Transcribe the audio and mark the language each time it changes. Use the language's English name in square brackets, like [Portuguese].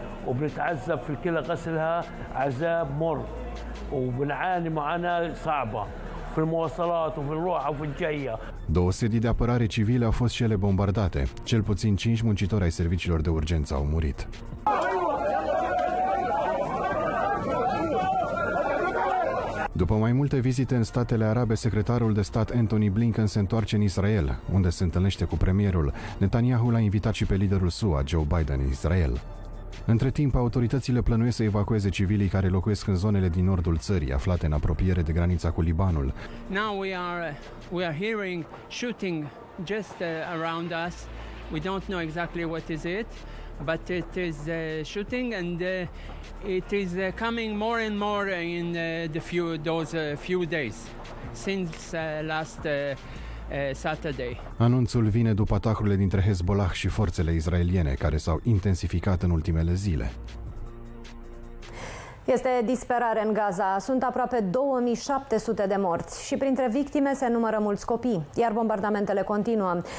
[Arabic] وبنتعذب في الكلى غسلها عذاب مر وبنعاني معاناة صعبة في المواصلات وفي الروحة وفي الجاية. [Romanian] Două sedii de apărare civile au fost și ele bombardate. Cel puțin 5 muncitori ai serviciilor de urgență au murit. După mai multe vizite în Statele Arabe, secretarul de stat Anthony Blinken se întoarce în Israel, unde se întâlnește cu premierul. Netanyahu l-a invitat și pe liderul SUA, Joe Biden, în Israel. Între timp, autoritățile plănuiesc să evacueze civilii care locuiesc în zonele din nordul țării, aflate în apropiere de granița cu Libanul. [English] Now we are hearing shooting just around us. We don't know exactly what is it, but it is shooting and it is coming more and more in those few days since last Saturday. [Romanian] Anunțul vine după atacurile dintre Hezbollah și forțele israeliene, care s-au intensificat în ultimele zile. Este disperare în Gaza. Sunt aproape 2.700 de morți și printre victime se numără mulți copii, iar bombardamentele continuă.